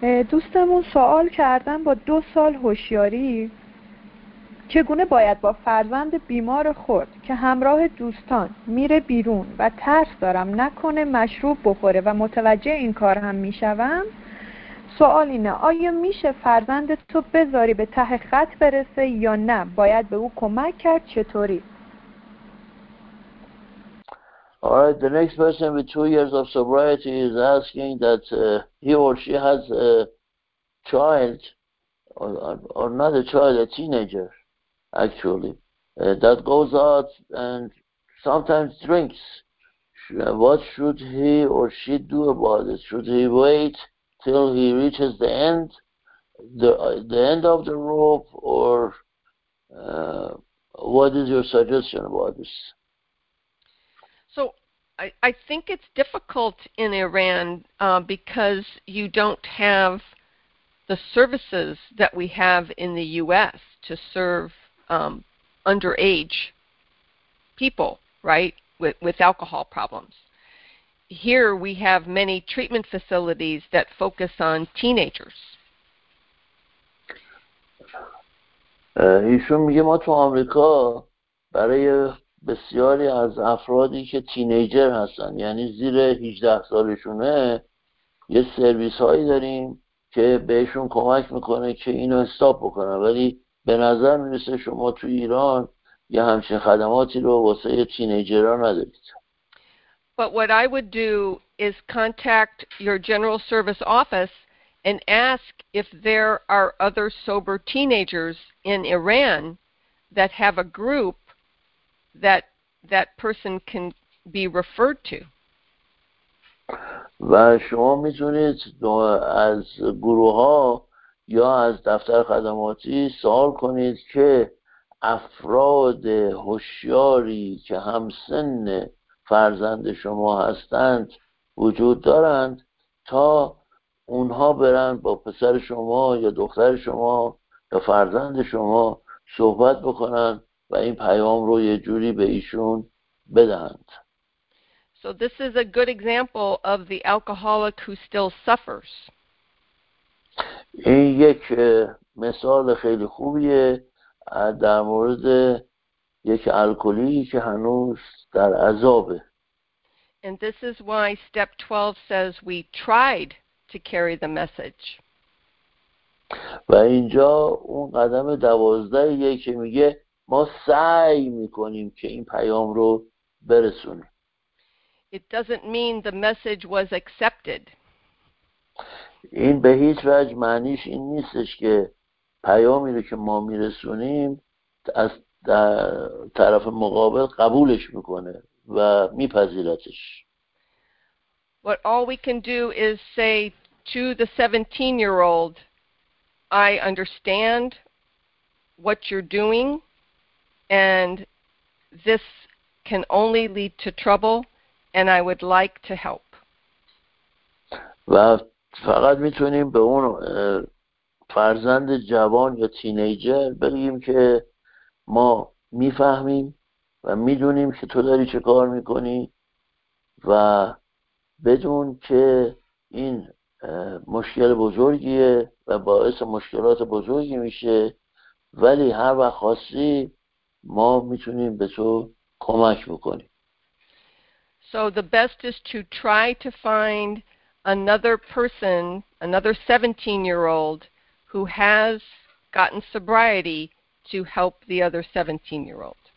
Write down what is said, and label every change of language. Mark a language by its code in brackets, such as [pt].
[fa] دوستمون سوال کردن با 2 سال هوشیاری چگونه باید با فرزند بیمار خود که همراه دوستان میره بیرون و ترس دارم نکنه مشروب بخوره و متوجه این کار هم میشوم. سوال اینه، آیا میشه فرزند تو بذاری به ته خط برسه یا نه باید به او کمک کرد؟ چطوری؟ [en] Alright, the next person with 2 years of sobriety is asking that he or she has a child, or not a child, a teenager, actually, that goes out and sometimes drinks. What should he or she do about it? Should he wait till he reaches the end of the rope, or what is your suggestion about this? I think it's difficult in Iran because you don't have the services that we have in the U.S. to serve underage people, right, with alcohol problems. Here we have many treatment facilities that focus on teenagers. [fa] ایشون میگه ما تو آمریکا برای بسیاری از افرادی که تینیجر هستن یعنی زیر 18 سالشونه یه سرویس هایی داریم که بهشون کمک میکنه که اینو استاپ بکنن ولی به نظر میرسه شما تو ایران یه همچین خدماتی رو واسه تینیجرها ندارید. [en] But what I would do is contact your general service office and ask if there are other sober teenagers in Iran that have a group that that person can be referred to. [fa] و شما میتونید از گروه ها یا از دفتر خدماتی سوال کنید که افراد هوشیاری که هم سن فرزند شما هستند وجود دارند تا اونها برن با پسر شما یا دختر شما یا فرزند شما صحبت بکنن و این پیام رو یه جوری به ایشون بدهند. [en] So this is a good example of the alcoholic who still suffers. [fa] این یک مثال خیلی خوبیه در مورد یک الکلی که هنوز در عذابه. [en] And this is why step 12 says we tried to carry the message. [fa] و اینجا اون قدم 12 یه که میگه ما سعی میکنیم که این پیام رو برسونیم. [en] It doesn't mean the message was accepted. [fa] این به هیچ وجه معنیش این نیستش که پیامی رو که ما میرسونیم از طرف مقابل قبولش میکنه و میپذیرتش. [en] What all we can do is say to the 17-year-old, I understand what you're doing, and this can only lead to trouble, and I would like to help. [fa] و فقط میتونیم به اون فرزند جوان یا تینیجر بگیم که ما میفهمیم و میدونیم که تو داری چه کار میکنی و بدون که این مشکل بزرگیه و باعث مشکلات بزرگی میشه ولی هر وقت خواستی ما میتونیم به تو کمک بکنیم. [en] So the best is to try to find another person, another 17-year-old who has gotten sobriety to help the other 17-year-old.